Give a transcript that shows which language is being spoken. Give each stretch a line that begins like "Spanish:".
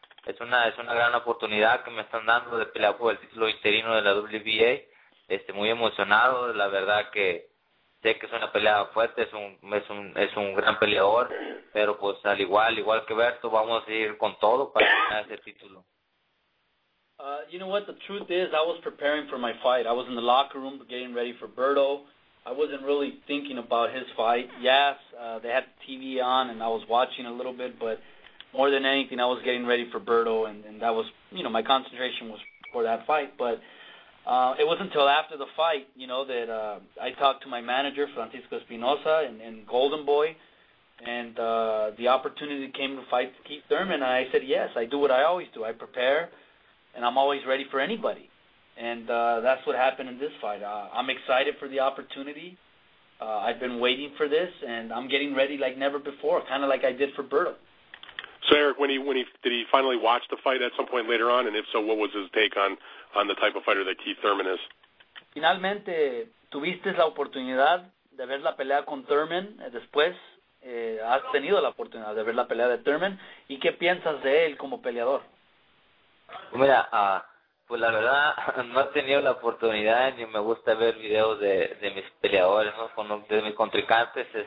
Spanish: Es una gran oportunidad que me están dando de pelear por el título interino de la WBA. Muy emocionado, la verdad que sé que es una pelea fuerte, es un gran peleador, pero pues al igual que Berto, vamos a ir con todo para ganar ese título.
English: You know what, the truth is, I was preparing for my fight. I was in the locker room getting ready for Berto. I wasn't really thinking about his fight. Yes, they had the TV on and I was watching a little bit, but more than anything, I was getting ready for Berto, and that was, you know, my concentration was for that fight. But it wasn't until after the fight, you know, that I talked to my manager, Francisco Espinosa, and Golden Boy, and the opportunity came to fight Keith Thurman, and I said, yes, I do what I always do. I prepare, and I'm always ready for anybody. And that's what happened in this fight. I'm excited for the opportunity. I've been waiting for this, and I'm getting ready like never before, kind of like I did for Berto. So, Eric, did he finally watch the fight at some point later on? And if so, what was his take on the type of fighter that Keith Thurman is?
Spanish: Finalmente, tuviste la oportunidad de ver la pelea con Thurman. Después, has tenido la oportunidad de ver la pelea de Thurman. ¿Y qué piensas de él como peleador? Mira, pues la verdad no he tenido la oportunidad ni me gusta ver videos de mis peleadores, ¿no? De mis contrincantes.